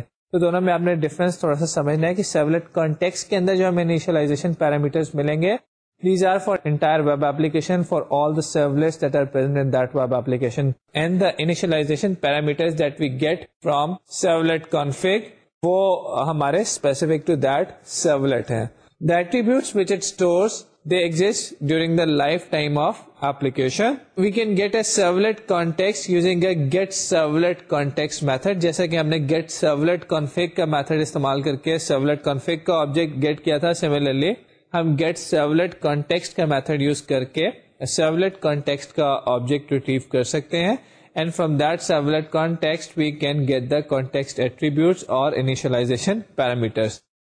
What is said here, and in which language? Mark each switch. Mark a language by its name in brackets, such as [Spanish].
[Urdu] تو دونوں میں آپ نے ڈفرنس تھوڑا سا سمجھنا ہے کہ سرولیٹ کانٹیکسٹ کے اندر جو ہمیں انیشلائزیشن پیرامیٹرز ملیں گے, [English] These are for entire web application, for all the servlets that are present in that web application, and the initialization parameters that we get from servlet config وہ ہمارے specific to that servlet ہیں. The attributes which it stores they exist during the life time of application. We can get a servlet context using a get servlet context method. [Urdu] جیسا کہ ہم نے get servlet کانفگ کا method استعمال کر کے servlet کانفگ کا آبجیکٹ گیٹ کیا تھا, سملرلی ہم گیٹ سرولیٹ کانٹیکسٹ کا میتھڈ یوز کر کے سرولیٹ کانٹیکسٹ کا آبجیکٹ ریٹریو کر سکتے ہیں. [English] And from that servlet context we can get the context attributes اور initialization parameters.